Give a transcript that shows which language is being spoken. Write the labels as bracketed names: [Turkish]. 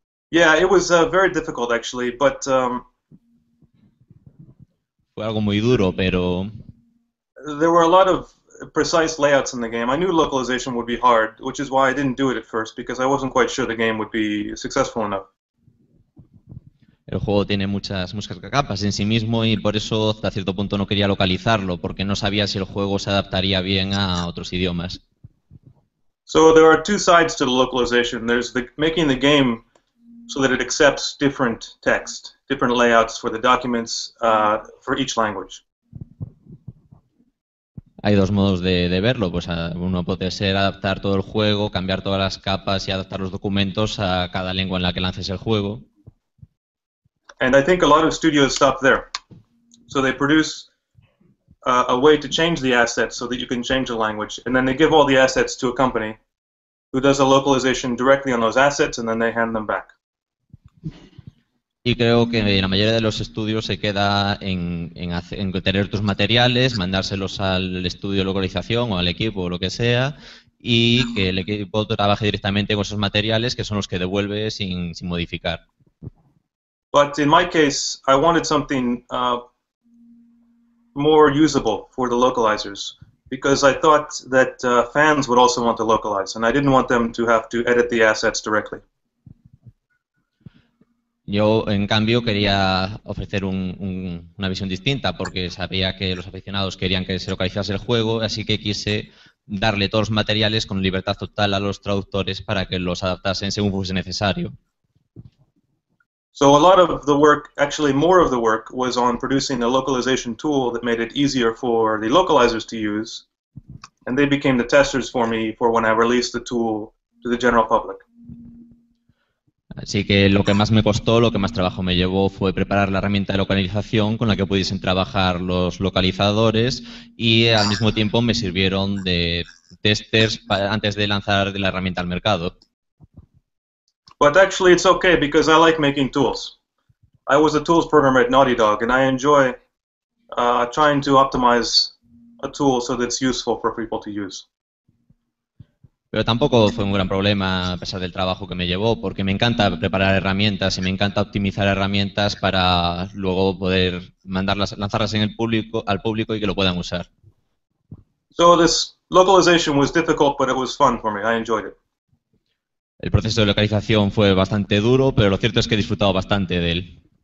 [English] Yeah, it was very difficult actually, but [Spanish] fue algo muy duro, pero [English] there were a lot of precise layouts in the game. I knew localization would be hard, which is why I didn't do it at first, because I wasn't quite sure the game would be successful enough. [Spanish] El juego tiene muchas capas en sí mismo, y por eso hasta cierto punto no quería localizarlo, porque no sabía si el juego se adaptaría bien a otros idiomas. [English] So there are two sides to the localization. There's the making the game so that it accepts different text, different layouts for the documents for each language. [Spanish] Hay dos modos de verlo. Pues uno puede ser adaptar todo el juego, cambiar todas las capas y adaptar los documentos a cada lengua en la que lances el juego. [English] And I think a lot of studios stop there. So they produce a way to change the assets so that you can change the language, and then they give all the assets to a company who does a localization directly on those assets, and then they hand them back. [Spanish] Y creo que la mayoría de los estudios se queda en tener tus materiales, mandárselos al estudio de localización o al equipo o lo que sea, y que el equipo trabaje directamente con esos materiales, que son los que devuelve sin modificar. [English] But in my case, I wanted something more usable for the localizers, because I thought that fans would also want to localize, and I didn't want them to have to edit the assets directly. [Spanish] Yo, en cambio, quería ofrecer una visión distinta, porque sabía que los aficionados querían que se localizase el juego, así que quise darle todos los materiales con libertad total a los traductores para que los adaptasen según fuese necesario. [English] So a lot of the work, actually more of the work, was on producing a localization tool that made it easier for the localizers to use, and they became the testers for me for when I released the tool to the general public. [Spanish] Así que lo que más me costó, lo que más trabajo me llevó, fue preparar la herramienta de localización con la que pudiesen trabajar los localizadores y al mismo tiempo me sirvieron de testers antes de lanzar la herramienta al mercado. [English] But actually it's okay because I like making tools. I was a tools programmer at Naughty Dog and I enjoy trying to optimize a tool so that it's useful for people to use. [Spanish] Pero tampoco fue un gran problema, a pesar del trabajo que me llevó, porque me encanta preparar herramientas y me encanta optimizar herramientas para luego poder mandarlas, lanzarlas en el público, al público y que lo puedan usar. [English] So this localization was difficult, but it was fun for me. I enjoyed it. [Spanish] El proceso de localización fue bastante duro, pero lo cierto es que he disfrutado bastante de él.